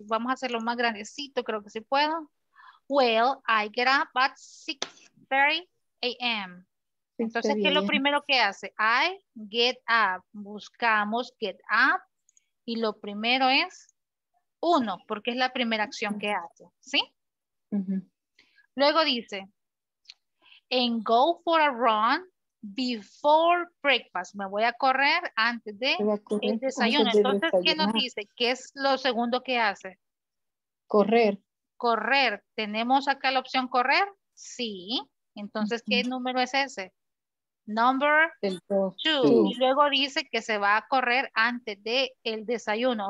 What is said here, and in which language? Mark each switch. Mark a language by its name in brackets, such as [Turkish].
[Spanish] Vamos a hacerlo más grandecito, creo que sí puedo. [English] Well, I get up at 6:30 a.m. [Spanish] Entonces, ¿qué es lo primero que hace? [English] I get up. [Spanish] Buscamos get up. Y lo primero es 1, porque es la primera acción que hace. ¿Sí? Luego dice, [English] and go for a run before breakfast. [Spanish] Me voy a correr antes de el desayuno. Entonces, ¿qué nos dice? ¿Qué es lo segundo que hace? Correr. Correr. ¿Tenemos acá la opción correr? Sí. Entonces, ¿qué número es ese? [English] Number 2. [Spanish] Y luego dice que se va a correr antes de el desayuno.